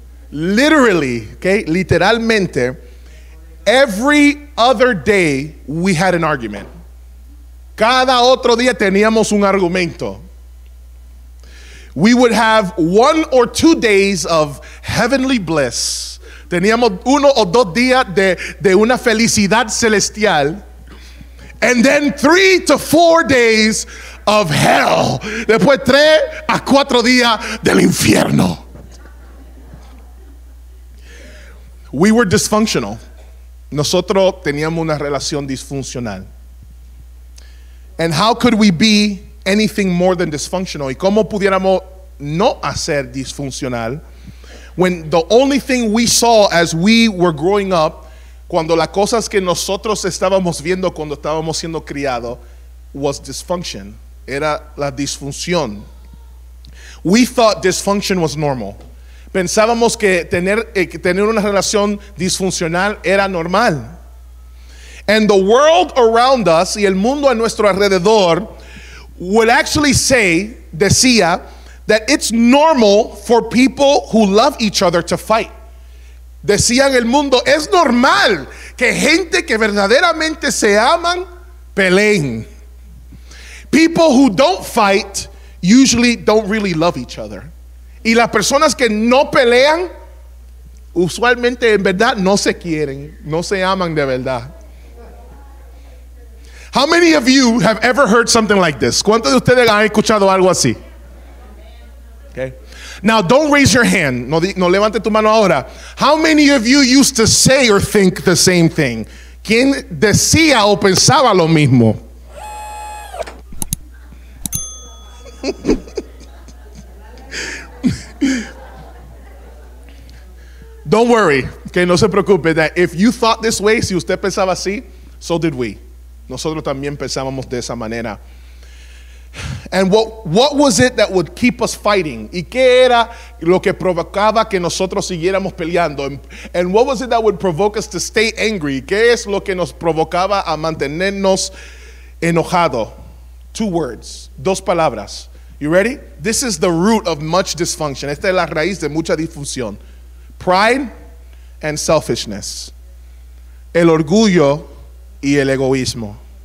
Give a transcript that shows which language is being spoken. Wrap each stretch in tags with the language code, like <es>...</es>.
<en>Literally, okay, literalmente, every other day we had an argument.</en> <es>Cada otro día teníamos un argumento.</es> <en>We would have one or two days of heavenly bliss.</en> <es>Teníamos uno o dos días de una felicidad celestial.</es> <en>And then 3 to 4 days of hell.</en> <es>Después 3 a 4 días del infierno.</es> <en>We were dysfunctional.</en> <es>Nosotros teníamos una relación disfuncional.</es> <en>And how could we be anything more than dysfunctional?</en> <es>¿Y cómo pudiéramos no hacer disfuncional?</es> <en>When the only thing we saw as we were growing up,</en> <es>cuando las cosas que nosotros estábamos viendo cuando estábamos siendo criados,</es> <en>was dysfunction.</en> <es>Era la disfunción.</es> <en>We thought dysfunction was normal.</en> <es>Pensábamos que tener una relación disfuncional era normal.</es> <en>And the world around us,</en> <es>y el mundo a nuestro alrededor,</es> <en>would actually say,</en> <es>decía,</es> <en>that it's normal for people who love each other to fight.</en> <es>Decían el mundo, es normal que gente que verdaderamente se aman, peleen.</es> <en>People who don't fight usually don't really love each other.</en> <es>Y las personas que no pelean, usualmente en verdad no se quieren, no se aman de verdad.</es> <en>How many of you have ever heard something like this?</en> <es>¿Cuántos de ustedes han escuchado algo así? Okay.</es> <en>Now don't raise your hand.</en> <es>No levante tu mano ahora.</es> <en>How many of you used to say or think the same thing?</en> <es>¿Quién decía o pensaba lo mismo?</es> <en>Don't worry. Okay,</en> <es>no se preocupe.</es> <en>That if you thought this way,</en> <es>si usted pensaba así,</es> <en>so did we.</en> <es>Nosotros también pensábamos de esa manera.</es> <en>And what was it that would keep us fighting?</en> <es>¿Y qué era lo que provocaba que nosotros siguiéramos peleando?</es> <en>And what was it that would provoke us to stay angry?</en> <es>¿Qué es lo que nos provocaba a mantenernos enojado?</es> <en>2 words.</en> <es>2 palabras.</es> <en>You ready? This is the root of much dysfunction.</en> <es>Esta es la raíz de mucha disfunción.</es> <en>Pride and selfishness.</en> <es>El orgullo y el egoísmo.</es>